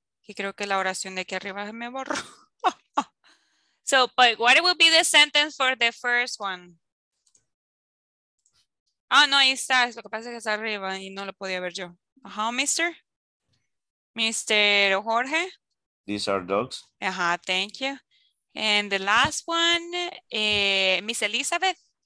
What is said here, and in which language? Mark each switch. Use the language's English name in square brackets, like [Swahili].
[Spanish] Creo que la oración de aquí arriba me borró. [English] So, but what would be the sentence for the first one? [Spanish] Ah, oh, no, ahí está. Lo que pasa es que está arriba y no lo podía ver yo. [English] Ajá, mister. Mr. Jorge. These are dogs. Ajá, thank you. And the last one, Miss Elizabeth.